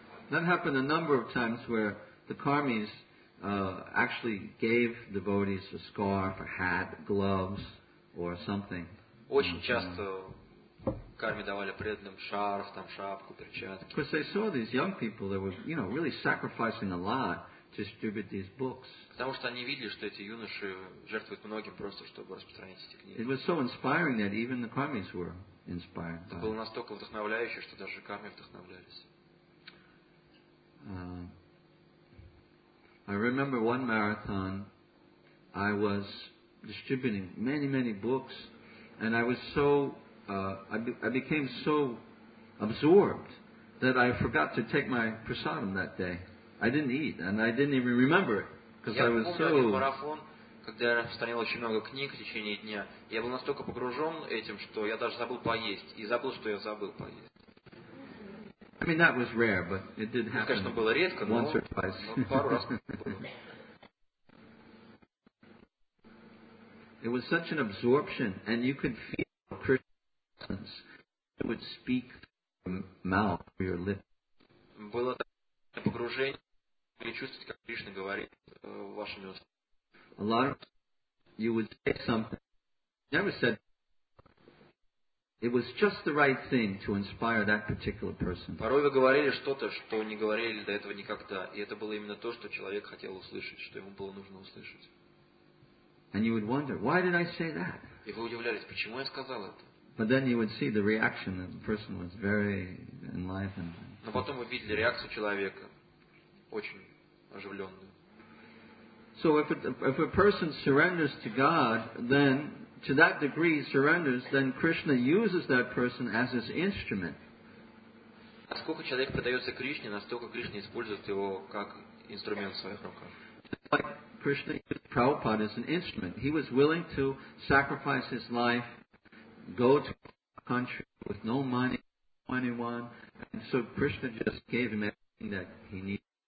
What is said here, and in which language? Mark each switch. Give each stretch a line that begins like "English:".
English: That happened a number of times where the karmis actually gave devotees a scarf, a hat, gloves, or something.
Russian: Очень часто карми давали преданным шарф, там шапку, перчатки.
English: Because they saw these young people that were, you know, really sacrificing a lot to distribute these books.
Russian: Потому что они видели, что эти юноши жертвуют многим просто, чтобы распространить эти книги.
English: It was so inspiring that even the karmis were. Inspired.
Russian: Это было настолько вдохновляюще, что даже карми вдохновлялись.
English: I remember one marathon. I was distributing many, many books, And I was so, I became so absorbed that I forgot to take my prasadam that day. I didn't eat, and I didn't even remember it, because I was so...
Russian: Когда я сохранил очень много книг в течение дня, я был настолько погружен этим, что я даже забыл поесть. И забыл, что я забыл поесть.
English: I mean, that was rare, but it did happen.
Russian: Конечно, было редко, но пару раз было.
English: It was such an absorption, and you could feel Krishna's presence. It would speak through your mouth, through your lips.
Russian: Было такое погружение, и чувствовать, как Кришна говорит вашими устами.
English: A lot of you would say something never said. It was just the right thing to inspire that particular person.
Russian: Порой вы говорили что-то, что не говорили до этого никогда, и это было именно то, что человек хотел услышать, что ему было нужно услышать.
English: And you would wonder, why did I say that?
Russian: И вы удивлялись, почему я сказал это?
English: But then you would see the reaction, and the person was very enlightened.
Russian: Но потом вы видели реакцию человека, очень оживленную.
English: So if a person surrenders to God, then to that degree surrenders, then Krishna uses that person as his instrument.
Russian: Насколько человек предается Кришне, настолько Кришна использует его как инструмент в своих руках.
English: Just like Krishna used Prabhupada as an instrument. He was willing to sacrifice his life, go to a country with no money, no anyone, and so Krishna just gave him everything that he needed.